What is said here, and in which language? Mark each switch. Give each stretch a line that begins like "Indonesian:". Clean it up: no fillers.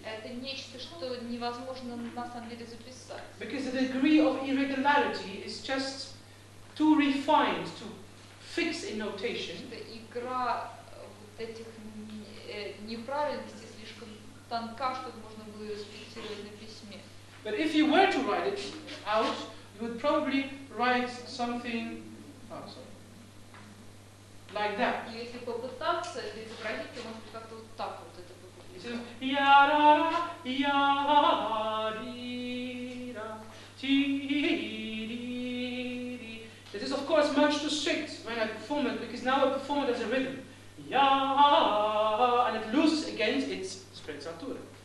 Russian: Это нечто, что невозможно на самом деле записать.
English: Because the degree of irregularity is just too refined to fix in notation.
Russian: Игра вот этих неправильностей слишком тонка, чтобы можно было ее зафиксировать на письме.
English: But if you were to write it out, you would probably write something like that.
Russian: И если попытаться это изобразить, то может быть как-то вот так вот это попробовать.
English: It is of course much too strict when I perform it, because now I perform it as a rhythm. Ya, and it loses again its sprezzatura.